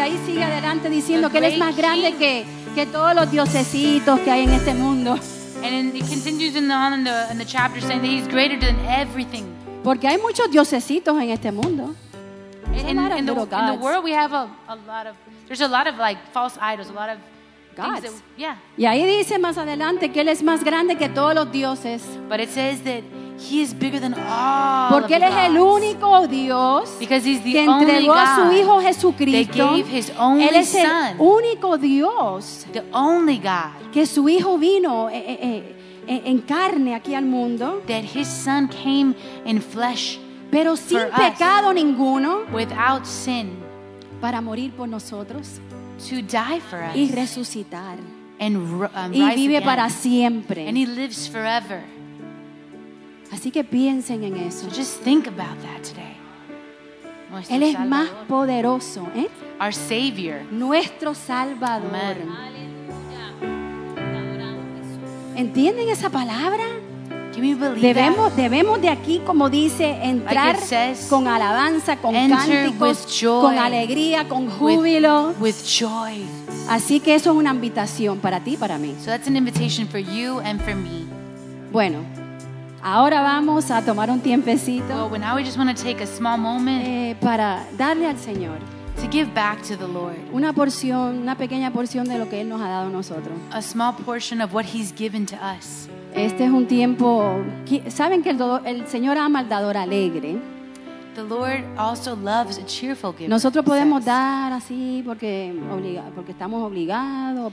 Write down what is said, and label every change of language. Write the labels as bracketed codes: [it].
[es] Ahí sigue adelante diciendo que Él es más grande que todos los diosesitos que hay en este mundo. [en] And it continues in the chapter saying that He's greater than everything. [es] Porque hay muchos diosesitos en este mundo. [en] In the world we have a lot of like false idols, a lot of gods. Yeah. [es] Y ahí dice más adelante que Él es más grande que todos los dioses. [en] But it says that He is bigger than all. [es] Porque Él es el único Dios que entregó a su Hijo Jesucristo. [en] They gave His only Son. [es] Él es el único Dios. [en] The only God. [es] Que su Hijo vino en carne aquí al mundo. [en] That His Son came in flesh. [es] Pero sin pecado ninguno. [en] Without sin. [es] Para morir por nosotros. [en] To die for us. [es] Y resucitar. [en] And [es] y vive para siempre. [en] And He lives forever. [es] Así que piensen en eso. [en] So just think about that today. [es] Nuestro Él es Salvador. Más poderoso, ¿eh? [en] Our Savior. [es] Nuestro Salvador. [en] Amen. [es] ¿Entienden esa palabra? [en] Can we believe [es] debemos, [en] that? [es] Debemos de aquí, como dice, entrar [en] like says, [es] con alabanza, con cánticos, [en] joy, [es] con alegría, con júbilo. [en] With joy. [es] Así que eso es una invitación para ti y para mí. [en] So that's an invitation for you and for me. [es] Bueno. Ahora vamos a tomar un tiempecito. [en] Well, now we just want to take a small moment [es] para darle al Señor. [en] To give back to the Lord. [es] Una porción, una pequeña porción de lo que Él nos ha dado a nosotros. [en] A small portion of what He's given to us. [es] Este es un tiempo. Saben que el Señor ama al dador alegre. [en] The Lord also loves a cheerful giver. [es] Nosotros podemos dar así porque porque estamos obligados.